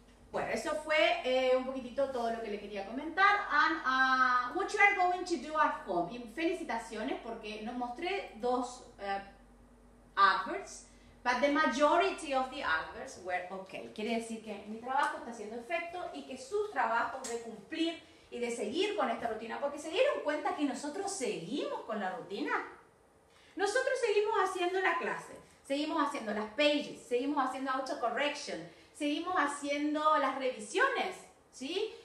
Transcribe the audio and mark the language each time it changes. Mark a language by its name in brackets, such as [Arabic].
[Spanish] Bueno, eso fue un poquitito todo lo que le quería comentar. [English] And what you are going to do at home. [Spanish] Y felicitaciones porque nos mostré dos adverts, [English] but the majority of the adverts were okay. [Spanish] Quiere decir que mi trabajo está haciendo efecto y que sus trabajos de cumplir y de seguir con esta rutina, porque se dieron cuenta que nosotros seguimos con la rutina. Nosotros seguimos haciendo la clase, seguimos haciendo las pages, seguimos haciendo auto-correction, seguimos haciendo las revisiones, ¿sí?